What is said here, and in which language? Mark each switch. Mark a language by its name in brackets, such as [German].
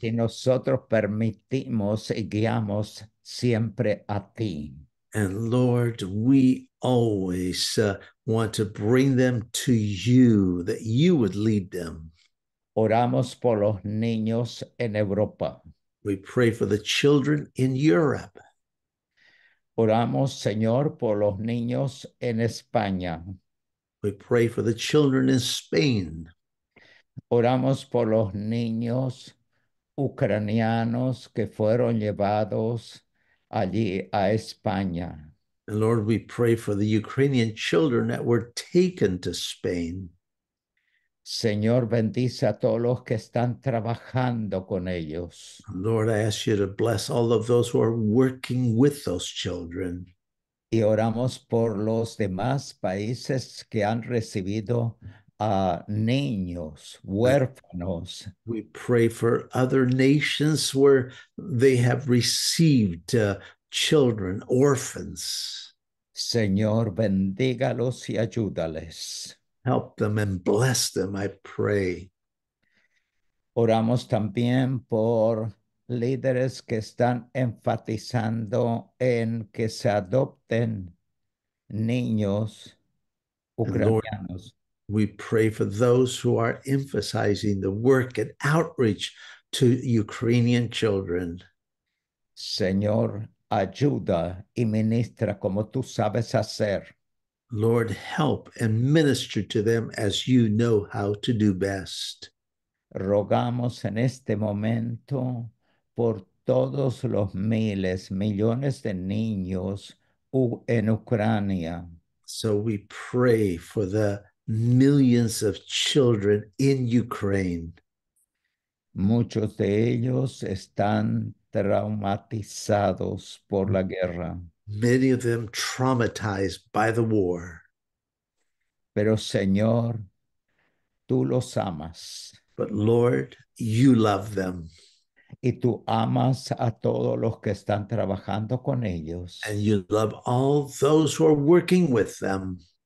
[Spanish] Y nosotros permitimos y guiamos siempre a ti. [English] And Lord, we always want to bring them to you, that you would lead them. [Spanish] Oramos por los niños en Europa. [English] We pray for the children in Europe. [Spanish] Oramos, Señor, por los niños en España. [English] We pray for the children in Spain. [Spanish] Oramos por los niños ucranianos que fueron llevados allí a España. [English] And Lord, we pray for the Ukrainian children that were taken to Spain. [Spanish] Señor, bendice a todos los que están trabajando con ellos. [English] Lord, I ask you to bless all of those who are working with those children. [Spanish] Y oramos por los demás países que han recibido a niños, huérfanos. [English] We pray for other nations where they have received children, orphans. [Spanish] Señor, bendígalos y ayúdales. [English] Help them and bless them, I pray. [Spanish] Oramos también por líderes que están enfatizando en que se adopten niños ucranianos. [English] Lord, we pray for those who are emphasizing the work and outreach to Ukrainian children. [Spanish] Señor, ayuda y ministra como tú sabes hacer. [English] Lord, help and minister to them as you know how to do best. [Spanish] Rogamos en este momento por todos los miles, millones de niños en Ucrania. [English] So we pray for the millions of children in Ukraine. [Spanish] Muchos de ellos están traumatizados por la guerra. [English] Many of them traumatized by the war. [Spanish] Pero Señor, tú los amas. [English] But Lord, you love them. [Spanish] Y tú amas a todos los que están trabajando con ellos. [English] And you love all those who are working with them.